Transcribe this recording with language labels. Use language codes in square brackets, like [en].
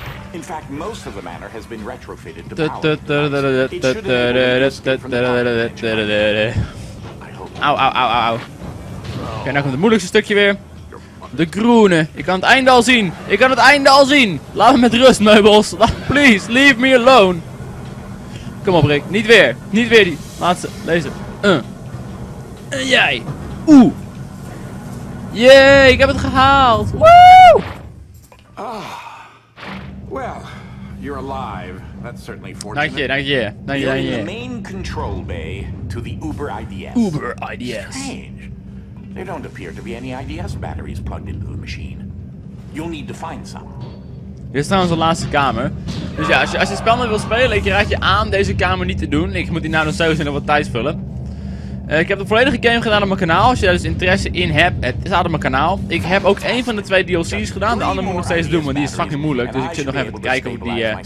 [en] In fact, most of the manor has been retrofitted to power. Au, au, au, au. [nl] Oké, nou komt het moeilijkste stukje weer. De groene. Ik kan het einde al zien. Ik kan het einde al zien. Laat me met rust, meubels. [en] Please, leave me alone. [nl] Kom op, Rick. Niet weer. Niet weer die laatste laser. En jij. Oeh. Yay, ik heb het gehaald. Woo! [en] Well, you're alive. That's certainly fortunate. Thank you. You're in the main control bay to the Uber IDS. Uber IDS. Strange. There don't appear to be any IDS batteries plugged into the machine. You'll need to find some. [nl] Dit is trouwens de laatste kamer. Dus ja, als je spel mee wil spelen, ik raad je aan deze kamer niet te doen. Ik moet die nou zo nog wat tijd vullen. Ik heb de volledige game gedaan op mijn kanaal. Als je daar dus interesse in hebt, het staat op mijn kanaal. Ik heb ook één van de twee DLC's gedaan. De andere moet ik nog steeds doen, want die is fucking moeilijk. Dus ik zit nog even te kijken hoe die...